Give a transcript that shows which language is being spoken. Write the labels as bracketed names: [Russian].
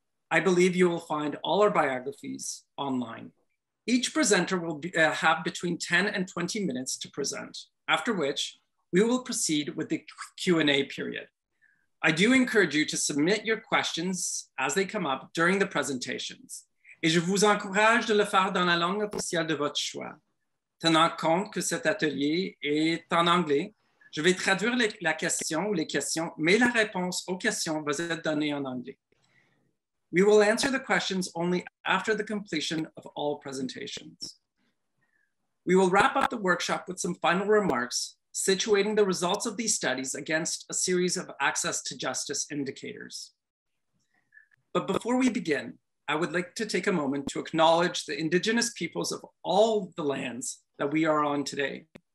[English] I believe you will find all our biographies online. Each presenter will have between 10 and 20 minutes to present, after which we will proceed with the Q&A period. I do encourage you to submit your questions as they come up during the presentations. [French] Et je vous encourage de le faire dans la langue officielle de votre choix. Tenant compte que cet atelier est en anglais, je vais traduire la question ou les questions, mais la réponse aux questions va être donnée en anglais. [English] We will answer the questions only after the completion of all presentations. We will wrap up the workshop with some final remarks, situating the results of these studies against a series of access to justice indicators. But before we begin, I would like to take a moment to acknowledge the Indigenous peoples of all the lands that we are on today.